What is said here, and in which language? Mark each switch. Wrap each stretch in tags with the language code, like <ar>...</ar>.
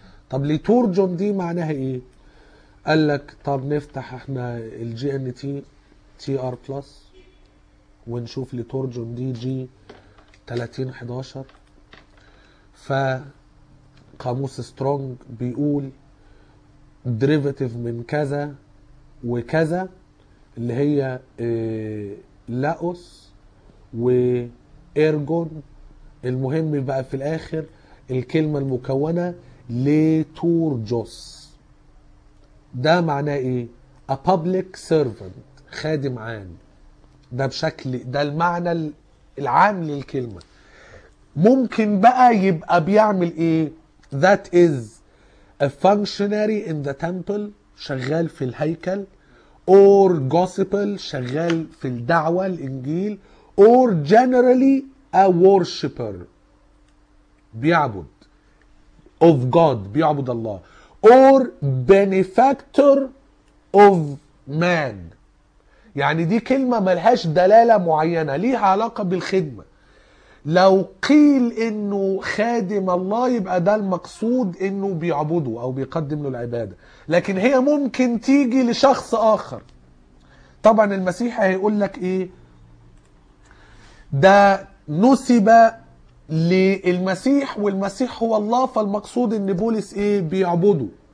<ar>طب ليتورجون دي معناها ايه؟ قال لك طب نفتح احنا الجي ان تي تي ار بلس ونشوف ليتورجون دي جي 3011، ف قاموس سترونج بيقول دريفاتيف من كذا وكذا اللي هي لاوس وايرجون. المهم بقى في الاخر الكلمة المكونة ليتورجوس ده معناه ايه؟</ar> <en>a public servant,</en> <ar>خادم عام. ده بشكل ده المعنى العام للكلمة. ممكن بقى يبقى بيعمل ايه؟</ar> <en>That is a functionary in the temple،</en> <ar>شغال في الهيكل،</ar> <en>or gospel</en> <ar>شغال في الدعوة الإنجيل،</ar> <en>or generally a worshipper</en> <ar>بيعبد</ar> <en>of God</en> <ar>بيعبد الله،</ar> <en>or benefactor of man.</en> <ar>يعني دي كلمة ملهاش دلالة معينة، ليها علاقة بالخدمة. لو قيل انه خادم الله يبقى ده المقصود انه بيعبده او بيقدم له العبادة، لكن هي ممكن تيجي لشخص اخر. طبعا المسيح هيقول لك ايه؟ ده نسب للمسيح والمسيح هو الله، فالمقصود ان بولس ايه؟ بيعبده.</ar>